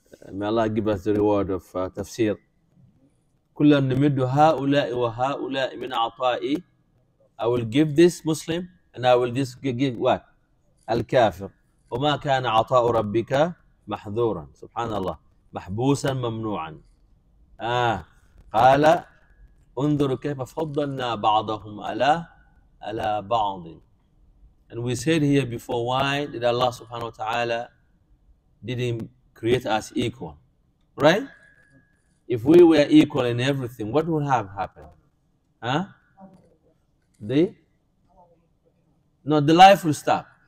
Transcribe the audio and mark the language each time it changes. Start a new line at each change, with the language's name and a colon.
English: May Allah give us the reward of tafsir.
Arabic: كلا نمد هؤلاء وهؤلاء من عطائي.
English: I will give this Muslim and I will just give what?
Arabic: الكافر. وما كان عطاء ربك محذورا. سبحان الله. محبوسا ممنوعا. قال انظر كيف فضلنا بعضهم على بعض
English: and we said here before why did Allah subhanahu wa ta'ala didn't create us equal right if we were equal in everything what would have happened the life will stop